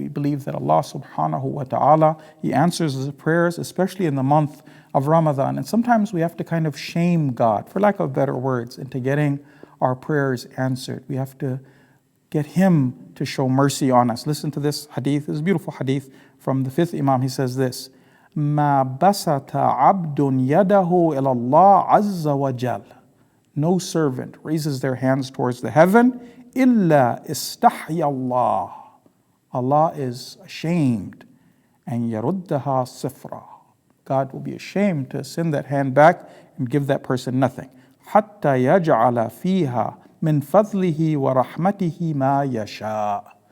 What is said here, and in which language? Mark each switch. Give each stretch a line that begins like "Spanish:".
English: We believe that Allah subhanahu wa ta'ala, He answers His prayers, especially in the month of Ramadan. And sometimes we have to kind of shame God, for lack of better words, into getting our prayers answered. We have to get Him to show mercy on us. Listen to this hadith. This is a beautiful hadith from the fifth Imam. He says this,
Arabic: مَا بَسَتَ عَبْدٌ يَدَهُ إِلَى اللَّهِ عَزَّ وَجَلَّ.
English: No servant raises their hands towards the heaven,
Arabic: illa istahya Allah.
English: Allah is ashamed, and
Arabic: yaruddaha sifra.
English: God will be ashamed to send that hand back and give that person nothing.
Arabic: Hatta yaj'ala fiha min fadlihi wa rahmatihi ma yasha.